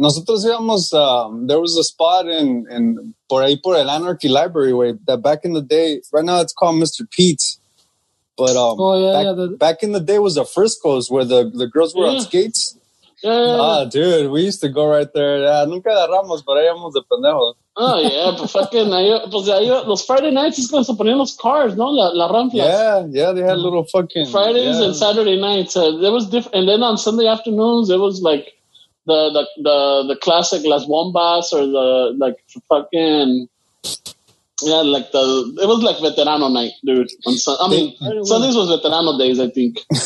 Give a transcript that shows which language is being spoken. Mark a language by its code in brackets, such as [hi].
[es] Nosotros íbamos, [en] there was a spot in [es] por ahí por el [en] Anarchy Library, way that back in the day, right now it's called Mr. Pete's. But back in the day was the Frisco's where the girls were on skates. Yeah. Ah, dude, we used to go right there. Yeah, [es] nunca agarramos, pero ahí íbamos de pendejo. [en] Oh, yeah, [es] pues fucking, pues ahí, los [en] Friday nights [es] es cuando se ponían los cars, ¿no? La rampa. [en] Yeah, they had little fucking... Fridays and Saturday nights. There was different, and then on Sunday afternoons, it was like the classic Las Bombas or the, like, fucking... Yeah, like it was like Veterano night, dude. Sundays was Veterano days, I think.